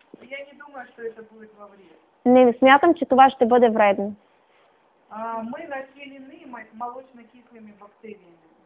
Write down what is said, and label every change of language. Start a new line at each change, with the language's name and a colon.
Russian: Я не думаю, что это будет во вред.
Bulgarian: Не смятам, че това ще бъде вредно.
Russian: Мы населены молочно-кислыми бактериями.